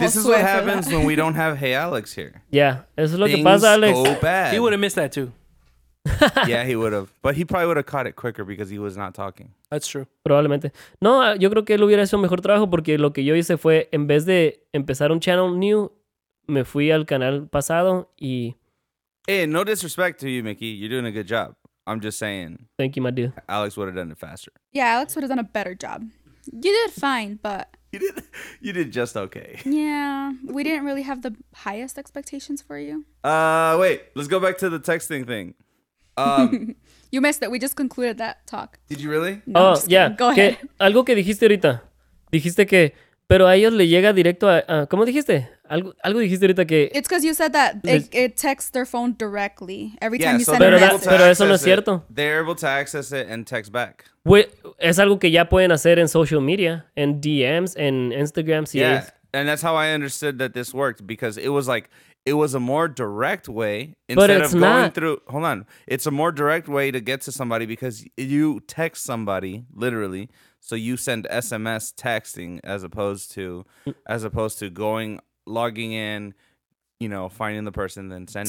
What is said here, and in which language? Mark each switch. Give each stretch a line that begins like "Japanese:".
English: This is what happens when we don't have Hey Alex here.
Spanish: Yeah, eso es lo que pasa, Alex.
English: Things go bad. He would have missed that too. Yeah, he would have. But he probably would have caught it quicker because he was not talking. That's true.
Spanish: Probablemente. No, yo creo que él hubiera hecho mejor trabajo porque lo que yo hice fue, en vez de empezar un
English: channel new,
Spanish: me fui al canal pasado y...
English: Hey, no disrespect to you, Mickey. You're doing a good job. I'm just saying. Thank you, my dude. Alex would have done it faster. Yeah, Alex would have done a better job. You did fine, but... You did just okay. Yeah, we didn't really have the highest expectations for you. Wait, let's go back to the texting thing. You missed it. We just concluded that talk. Did you really? No, I'm just kidding. Go ahead.
Spanish: Algo que dijiste ahorita. Dijiste que... Pero a ellos le llega directo a... ¿cómo dijiste? Algo dijiste ahorita que...
English: It's because you said that it texts their phone directly. Every time you send a message.
Spanish: Pero eso no es cierto.
English: They're able to access it and text back.
Spanish: Es algo que ya pueden hacer en social media, en DMs, en Instagram. CAs.
English: Yeah, and that's how I understood that this worked. Because it was like... It was a more direct way instead of going through... Hold on. It's a more direct way to get to somebody because you text somebody, literally... So you send SMS texting as opposed to going, logging in, you know, finding the person, then sending.